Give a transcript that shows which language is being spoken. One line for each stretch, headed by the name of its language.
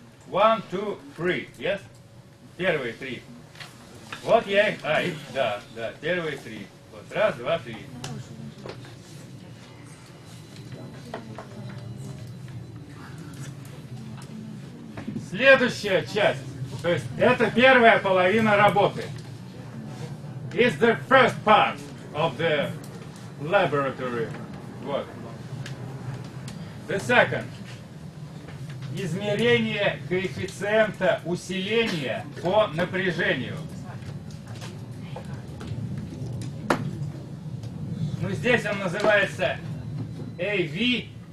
Russian: 1, 2, 3, yes? Первые три. Вот я их. Да, первые три. Вот раз, два, три. Следующая часть. То есть это первая половина работы.
English: It's the first part of the laboratory work. The second.
Russian: Измерение коэффициента усиления по напряжению. Ну, здесь он называется AV.